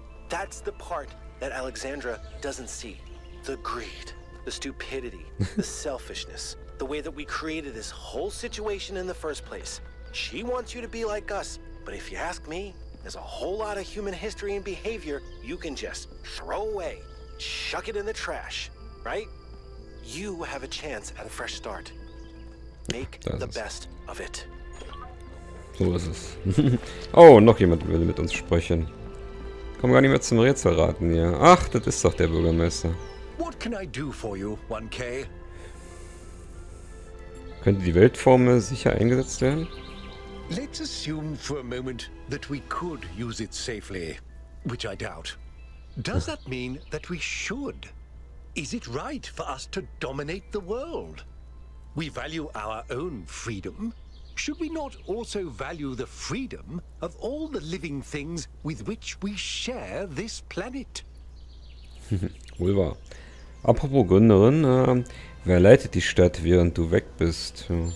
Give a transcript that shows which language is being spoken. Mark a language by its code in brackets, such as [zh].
[en] That's the part that Alexandra doesn't see. The greed, the stupidity, the selfishness, the way that we created this whole situation in the first place. She wants you to be like us, but if you ask me, there's a whole lot of human history and behavior you can just throw away, chuck it in the trash, right? You have a chance at a fresh start. Make the best of it. [de] So ist es. Oh, noch jemand will mit uns sprechen. Komm gar nicht mehr zum Rätsel raten hier. Ach, das ist doch der Bürgermeister. [en] What can I do for you, 1K? [de] Könnte die Weltformel sicher eingesetzt werden? [en] Let's assume for a moment that we could use it safely, which I doubt. Does that mean that we should? Is it right for us to dominate the world? We value our own freedom. Should we not also value the freedom of all the living things with which we share this planet? [de] Wohl wahr. Apropos Gründerin, wer leitet die Stadt, während du weg bist?